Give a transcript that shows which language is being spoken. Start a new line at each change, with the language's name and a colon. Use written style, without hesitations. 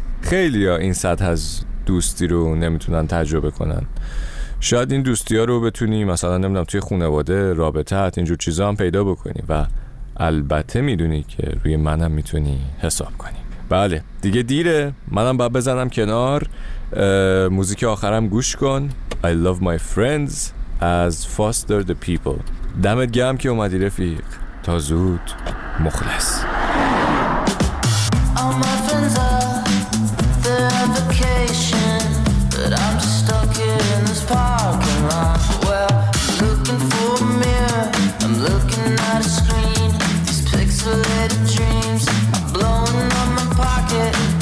Persian: خیلی ها این سطح از دوستی رو نمیتونن تجربه کنن. شاید این دوستی ها رو بتونی مثلا نمیدونم توی خانواده، رابطت، اینجور چیزا هم پیدا بکنی، و البته میدونی که روی منم میتونی حساب کنی. بله دیگه دیره، منم باید بزنم کنار. موزیک آخرم گوش کن، I love my friends از Foster the People. دمت گرم که اومدی رفیق، تا زود، مخلص.
English: All my friends are there on vacation, but I'm just stuck here in this parking lot. Well, I'm looking for a mirror, I'm looking at a screen. These pixelated dreams are blowing up my pocket.